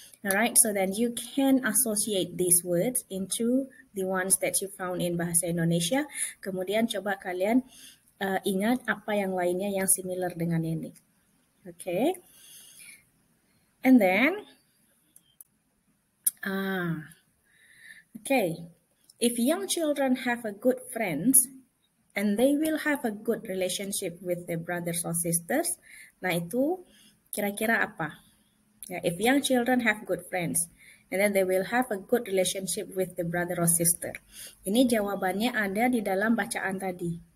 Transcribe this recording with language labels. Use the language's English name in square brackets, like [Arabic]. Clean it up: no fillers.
[English] Alright, so then you can associate these words into the ones that you found in Bahasa Indonesia. [Indonesian] Kemudian coba kalian ingat apa yang lainnya yang similar dengan ini. [English] Okay. And then, okay. If young children have a good friends and they will have a good relationship with their brothers or sisters, [Indonesian] nah itu kira-kira apa? [English] Yeah, if young children have good friends, and then they will have a good relationship with the brother or sister. [Indonesian] Ini jawabannya ada di dalam bacaan tadi.